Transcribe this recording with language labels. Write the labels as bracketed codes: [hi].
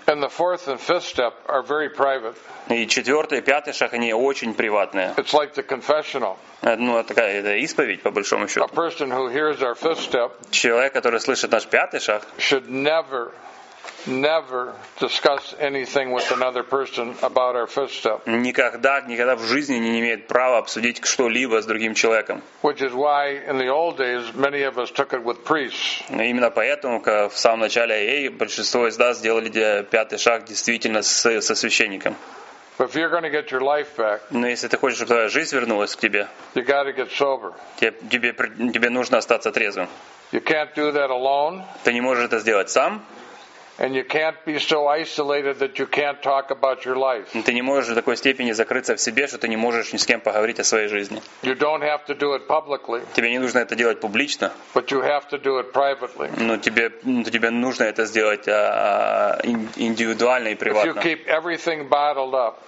[en] And the fourth and fifth step are very private. [ru] И четвертый и пятый шаг, они очень приватные. [en] It's like the confessional. [ru] Ну, такая, это исповедь, по большому счету. [en] A person who hears our fifth step, [ru] человек, который слышит наш пятый шаг, [en] should never, never discuss anything with another person about our fifth step. [ru] Никогда, никогда в жизни не имеет права обсудить что-либо с другим человеком. [en] Which is why in the old days many of us took it with priests. [ru] Именно поэтому, как в самом начале АЭИ, большинство из нас сделали пятый шаг действительно со священником. [en] But if you're going to get your life back, [ru] но если ты хочешь, чтобы твоя жизнь вернулась к тебе, [en] you got to get sober. [ru] Тебе нужно остаться трезвым. [en] You can't do that alone. [ru] Ты не можешь это сделать сам. [en] And you can't be so isolated that you can't talk about your life. [ru] Ты не можешь в такой степени закрыться в себе, что ты не можешь ни с кем поговорить о своей жизни. [en] You don't have to do it publicly. [ru] Тебе не нужно это делать публично. [en] But you have to do it privately. [ru] Но тебе нужно это сделать индивидуально и приватно. [en] If you keep everything bottled up.